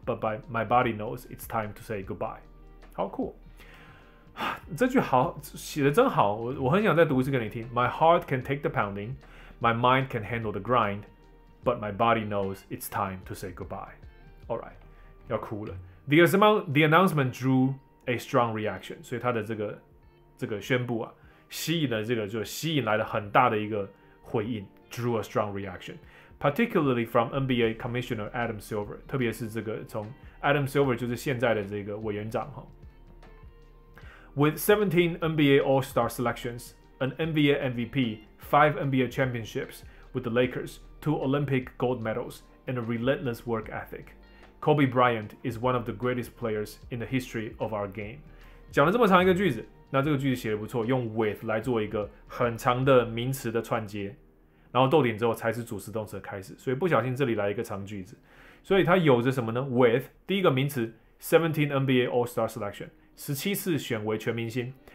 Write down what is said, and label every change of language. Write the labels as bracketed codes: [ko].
[en] But my body knows it's time to say goodbye. [zh] 好酷、哦，这句好写的真好，我很想再读一次给你听。 [en] My heart can take the pounding. My mind can handle the grind, but my body knows it's time to say goodbye. All right, [zh] 要哭了。 [en] The announcement drew a strong reaction. [zh] 所以他的这个宣布啊，吸引来了很大的一个回应 [en] ，drew a strong reaction, particularly from NBA Commissioner Adam Silver. [zh] 特别是这个从 Adam Silver 就是现在的这个委员长哈。 [en] With 17 NBA All-Star selections. An NBA MVP, 5 NBA championships with the Lakers, 2 Olympic gold medals, and a relentless work ethic. Kobe Bryant is one of the greatest players in the history of our game. [zh] 讲了这么长一个句子，那这个句子写得不错，用 with 来做一个很长的名词的串接，然后逗点之后才是主词动词的开始，所以不小心这里来一个长句子。所以它有着什么呢？With 第一个名词 , [en] 17 NBA All-Star Selection, [zh] 17次选为全明星。